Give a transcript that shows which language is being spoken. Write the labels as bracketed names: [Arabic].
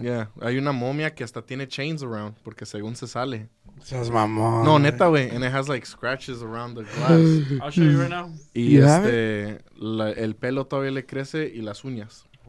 [Spanish] Yeah, hay una momia que hasta tiene [English] chains around [Spanish] porque según se sale. Seas mamón. No, neta, güey. [English] And it has like scratches around the glass. I'll show you right now. [Spanish] Y [English] you have it? [Spanish] La, el pelo todavía le crece y las uñas.